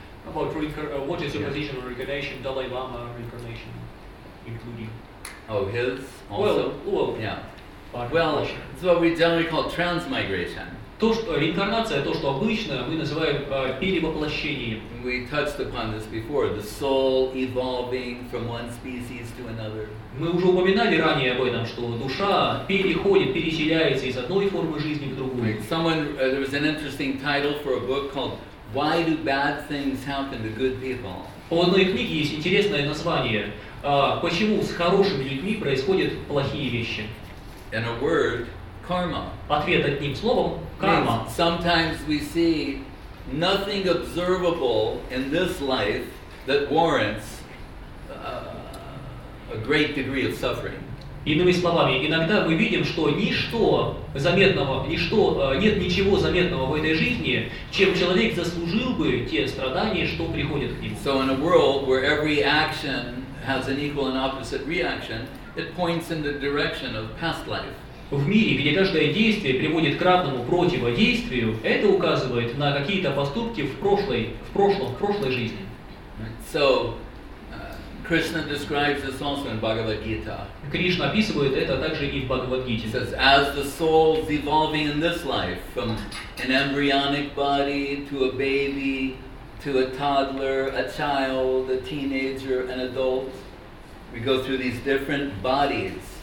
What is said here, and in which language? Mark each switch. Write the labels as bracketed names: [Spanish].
[English] About what is your position on reincarnation, Dalai Lama reincarnation, including. Oh, his also? Well, yeah. Well, it's what we generally call transmigration. [Russian] То, что реинкарнация, то, что обычно мы называем перевоплощением. [English] We touched upon this before, the soul evolving from one species to another. [Russian] Мы уже упоминали ранее об этом, что душа переходит, переселяется из одной формы жизни в другую. [English] Right. Someone, there was an interesting title for a book called Why Do Bad Things Happen to Good People? [Russian] У одной книги есть интересное название. Почему с хорошими людьми происходят плохие вещи? [English] In a word, karma. [Russian] Ответ одним словом – карма. [English] Sometimes we see nothing observable in this life that warrants a great degree of suffering. [Russian] Иными словами, иногда мы видим, что ничто заметного, ничто, нет ничего заметного в этой жизни, чем человек заслужил бы те страдания, что приходят к нему. [English] So in a world where every action has an equal and opposite reaction, it points in the direction of past life. [Russian] В мире, где каждое действие приводит к равному противодействию, это указывает на какие-то поступки в прошлой жизни. [English] So, Krishna describes this also in Bhagavad Gita. [Russian] Кришна описывает это также и в Бхагавад-гите. [English] He says, as the soul is evolving in this life, from an embryonic body to a baby, to a toddler, a child, a teenager, an adult, we go through these different bodies.